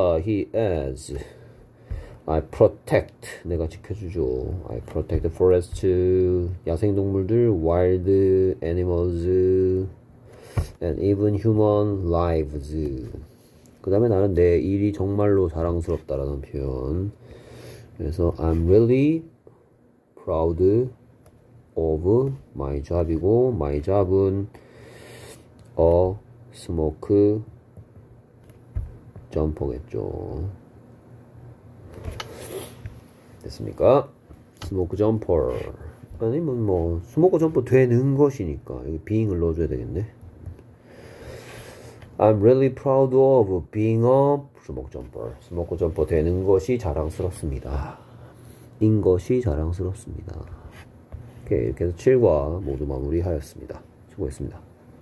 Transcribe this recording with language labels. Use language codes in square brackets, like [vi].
[en] He adds, I protect. [ko] 내가 지켜주죠. [en] I protect the forest. [ko] 야생동물들, [en] wild animals, and even human lives. [ko] 그 다음에 나는 내 일이 정말로 자랑스럽다라는 표현. 그래서 [en] I'm really proud of my job이고, my job은 a smoke jumper겠죠. [ko] 됐습니까? smoke jumper. 아니면 뭐, smoke jumper 되는 것이니까. 여기 being을 넣어줘야 되겠네. [en] I'm really proud of being a smoke jumper. [ko] smoke jumper 되는 것이 자랑스럽습니다. 인 것이 자랑스럽습니다. 오케이, 이렇게 해서 7과 모두 마무리하였습니다. 수고했습니다.